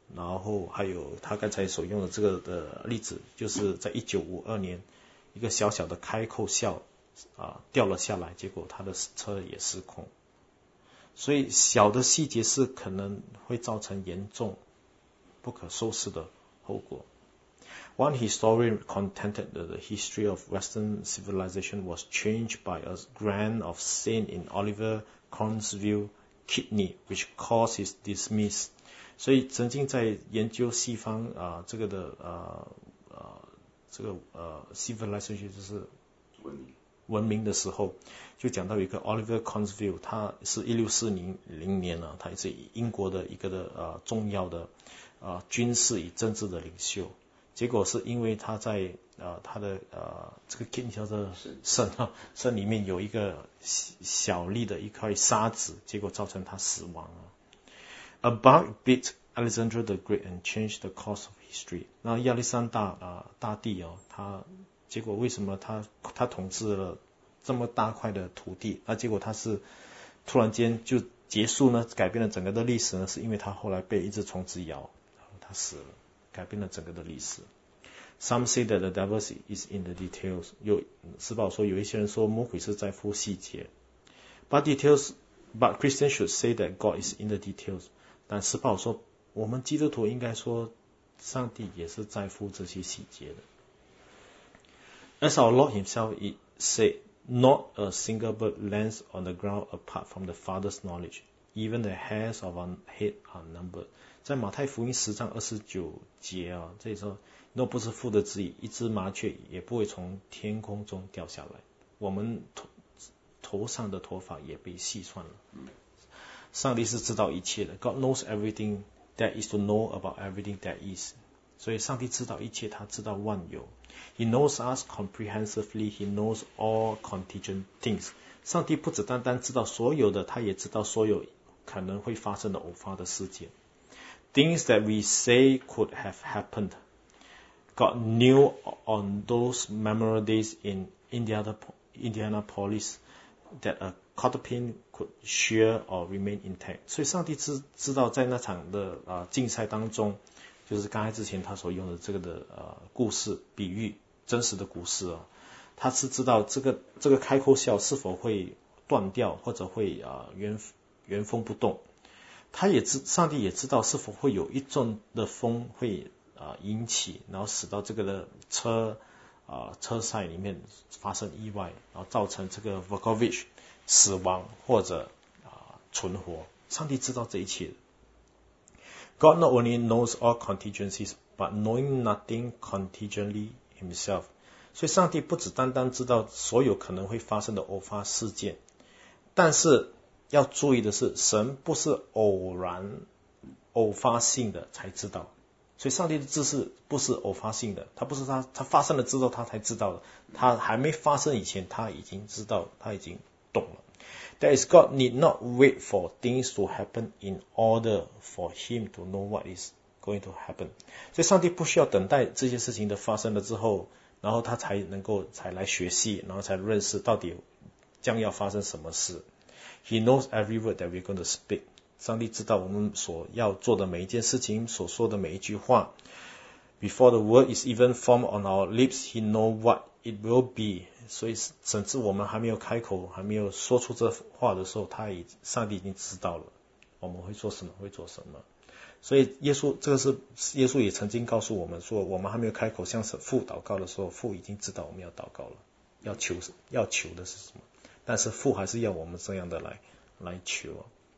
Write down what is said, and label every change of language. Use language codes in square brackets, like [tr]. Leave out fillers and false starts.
[zh] 然后还有他刚才所用的这个的例子，就是在1952年一个小小的开口笑掉了下来，结果他的车也失控。所以小的细节是可能会造成严重不可收拾的后果。 [en] One historian contended that the history of Western civilization was changed by a grain of sand in Oliver Cromwell's kidney, which causes dismiss. [zh] 所以曾经在研究西方啊、这个的这个civilization 就是文明的时候，就讲到一个 Oliver Conseville， 他是1640年呢、他是英国的一个的重要的军事与政治的领袖，结果是因为他在他的这个 kidney 叫做肾啊，肾里面有一个小粒的一块沙子，结果造成他死亡了。 [en] A bug bit Alexander the Great and changed the course of history. [zh] 那亚历山大大帝哦，他结果为什么他统治了这么大块的土地？那结果他是突然间就结束呢，改变了整个的历史呢？是因为他后来被一只虫子咬，他死了，改变了整个的历史。 [en] Some say that the devil is in the details. [zh] 有斯宝说，有一些人说魔鬼是在乎细节 ， [en] but details. But Christians should say that God is in the details. [zh] 但斯宝说，我们基督徒应该说，上帝也是在乎这些细节的。 [en] As our Lord himself said, not a single bird lands on the ground apart from the Father's knowledge. Even the hairs of our head are numbered. [zh] 在马太福音10:29啊，这里说，若不是父的旨意，一只麻雀也不会从天空中掉下来。我们头上的头发也被细算了。上帝是知道一切的。 [en] God knows everything that is to know about everything that is. [zh] 所以上帝知道一切，他知道万有。 [en] He knows us comprehensively. He knows all contingent things. [zh] 上帝不只单单知道所有的，他也知道所有可能会发生的偶发的事件。 [en] Things that we say could have happened, God knew on those memorable days in Indianapolis that a codpin could shear or remain intact. [zh] 所以上帝知道在那场的竞赛当中。就是刚才之前他所用的这个的故事比喻真实的故事啊，他是知道这个开口笑是否会断掉或者会原封不动，他也知上帝也知道是否会有一阵的风会引起然后使到这个的车赛里面发生意外，然后造成这个 Vukovic 死亡或者存活，上帝知道这一切。 [en] God not only knows all contingencies, but knowing nothing contingently himself. [zh] 所以上帝不只单单知道所有可能会发生的偶发事件，但是要注意的是，神不是偶然、偶发性的才知道。所以上帝的知识不是偶发性的，他不是他发生了之后他才知道的，他还没发生以前他已经知道，他已经懂了。 [en] That is, God need not wait for things to happen in order for him to know what is going to happen. [zh] 所以上帝不需要等待这些事情的发生了之后，然后他才能够才来学习，然后才认识到底将要发生什么事。 [en] He knows every word that we're going to speak. [zh] 上帝知道我们所要做的每一件事情，所说的每一句话。 [en] Before the word is even formed on our lips, he knows what it will be. [zh] 所以甚至我们还没有开口还没有说出这话的时候，上帝已经知道了我们会做什么会做什么。所以耶稣也曾经告诉我们说，我们还没有开口向父祷告的时候，父已经知道我们要祷告了，要求的是什么，但是父还是要我们这样的来求。